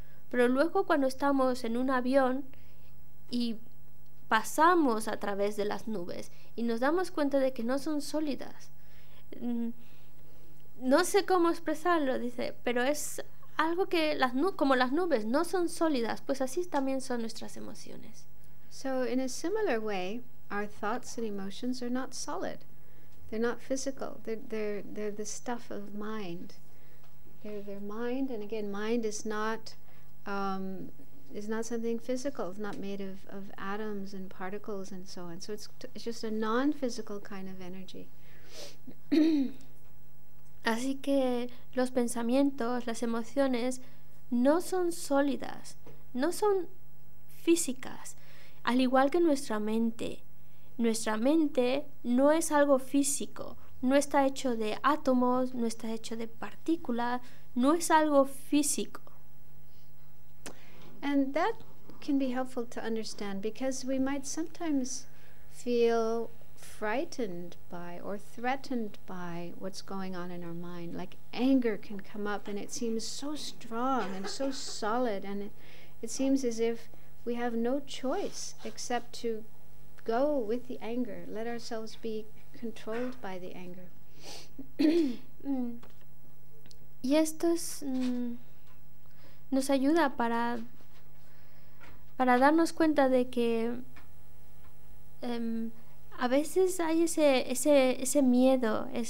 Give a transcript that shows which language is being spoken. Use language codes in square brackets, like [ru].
[es] Pero luego, cuando estamos en un avión y pasamos a través de las nubes y nos damos cuenta de que no son sólidas. No sé cómo expresarlo, dice, pero es algo que como las nubes no son sólidas, pues así también son nuestras emociones. [en] So in a similar way, our thoughts and emotions are not solid. They're not physical. They're the stuff of mind. They're mind, and again, mind is not something physical. It's not made of atoms and particles and so on. So it's just a non-physical kind of energy. [es] Así que los pensamientos, las emociones, no son sólidas, no son físicas, al igual que nuestra mente. Nuestra mente no es algo físico, no está hecho de átomos, no está hecho de partículas, no es algo físico. [en] And that can be helpful to understand because we might sometimes feel frightened by or threatened by what's going on in our mind. Like anger can come up and it seems so strong and so solid and it seems as if we have no choice except to go with the anger, let ourselves be controlled by the anger. [es] Y esto es, nos ayuda para darnos cuenta de que a veces hay ese miedo,